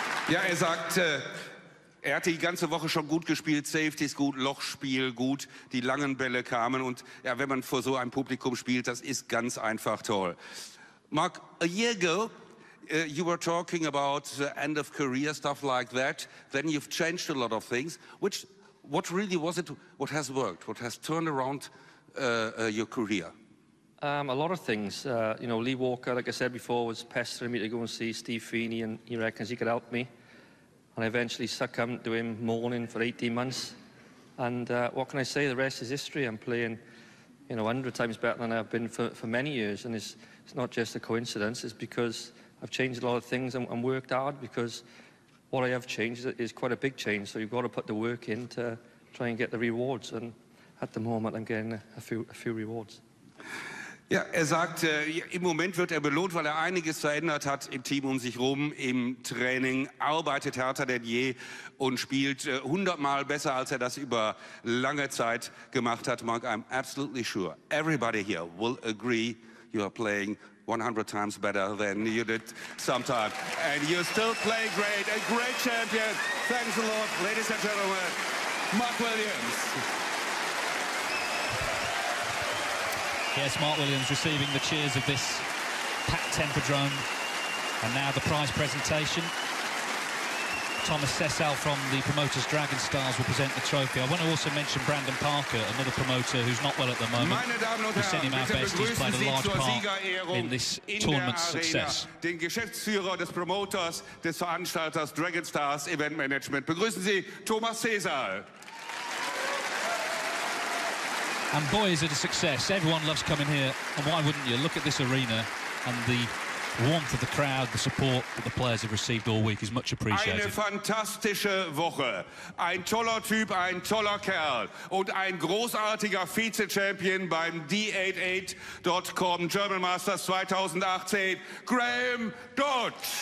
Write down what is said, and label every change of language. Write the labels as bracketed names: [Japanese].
[German] Ja, er sagt, er hat die ganze Woche schon gut gespielt, Safeties gut, Lochspiel gut, die langen Bälle kamen. Und ja, wenn man vor so einem Publikum spielt, das ist ganz einfach toll. [English] Mark, a year ago, you were talking about end of career, stuff like that. Then you've changed a lot of things. What really was it, what has worked, what has turned around your career? A lot of things. You know, Lee Walker, like I said before, was pestering me to go and see Steve Feeney, and he reckons he could help me. And I eventually succumbed to him mourning for 18 months. And what can I say? The rest is history. I'm playing, you know, 100 times better than I've been for many years. And it's not just a coincidence. It's because I've changed a lot of things and worked hard, because what I have changed is quite a big change. So you've got to put the work in to try and get the rewards. And at the moment, I'm getting a few rewards. [German] Ja, er sagt, im Moment wird er belohnt, weil er einiges verändert hat im Team um sich herum, im Training, arbeitet härter denn je und spielt 100-mal besser, als er das über lange Zeit gemacht hat. [English] Mark, I'm absolutely sure everybody here will agree you are playing 100 times better than you did sometime. And you still play great, a great champion. Thanks a lot, ladies and gentlemen, Mark Williams. Yes, Mark Williams receiving the cheers of this packed Tempodrome. And now the prize presentation. Thomas Cecil from the promoters Dragon Stars will present the trophy. I want to also mention Brandon Parker, another promoter who's not well at the moment. We send him our best. He's played a large part in this tournament's success. [German] Den Geschäftsführer des Promoters, des Veranstalters Dragon Stars Event Management. Begrüßen Sie Thomas Cecil. [English] And boy, is it a success. Everyone loves coming here. And why wouldn't you? Look at this arena and the warmth of the crowd, the support that the players have received all week is much appreciated. [German] Eine fantastische Woche. Ein toller Typ, ein toller Kerl. Und ein großartiger Vize-Champion beim D88.com German Masters 2018, Graeme Dott.